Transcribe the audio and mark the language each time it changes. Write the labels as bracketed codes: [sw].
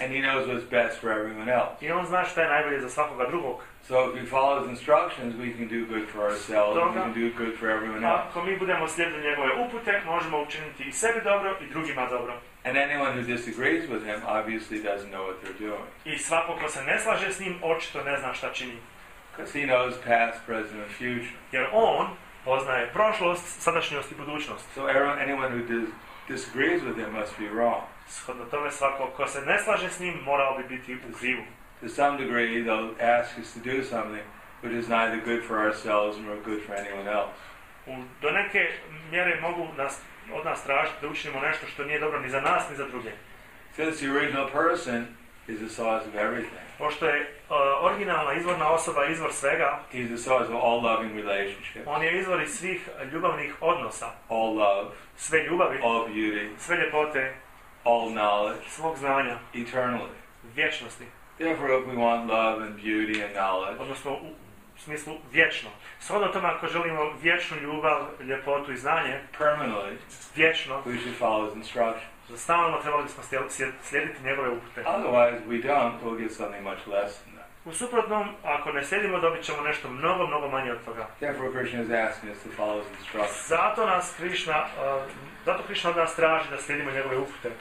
[en] And he knows what's best for everyone else. [bs] I on zna što je najbolje za svakoga drugog. [en] So if we follow his instructions, we can do good for ourselves. [bs] Stoga, [en] we can do good for everyone else. [bs] Ako mi budemo slijediti njegove upute, možemo učiniti i sebi dobro i drugima dobro. [en] And anyone who disagrees with him obviously doesn't know what they're doing. [bs] I svako ko se ne slaže s njim očito ne zna šta čini. [en] Because he knows past, present, and future. [bs] Jer on poznaje prošlost, sadašnjost i budućnost. [en] So anyone who disagrees with him must be wrong. [bs] Shodno tome svako ko se ne slaže s njim morao bi biti u krivu. [en] To some degree they'll ask us to do something which is neither good for ourselves nor good for anyone else. [bs] Do neke mjere mogu nas od nas tražiti da učinimo nešto što nije dobro ni za nas ni za druge. [en] Since the original person is the source of everything. [bs] Pošto je originalna izvorna osoba izvor svega. [en] He is the source of all loving relationships. [bs] On je izvor svih ljubavnih odnosa. [en] All love. [bs] Sve ljubavi. [en] All beauty. [bs] Sve ljepote. [en] All knowledge. [bs] Svog znanja. [en] Eternally. [bs] Vječnosti. [en] Therefore, if we want love and beauty and knowledge. [bs] Odnosno u smislu vječno. Shodno tome ako želimo vječnu ljubav, ljepotu i znanje. [en] Permanently. [bs] Vječno. [en] We should follow his instructions. [bs] Stalno trebali bismo slijediti njegove upute. [en] Otherwise, we don't, we'll get something much less than that. [bs] U suprotnom, ako ne slijedimo, dobit ćemo nešto mnogo, mnogo manje od toga. [en] Therefore, Krishna is asking us to follow his instructions. [bs] Zato nas Krishna, zato Krishna nas traži da slijedimo njegove upute.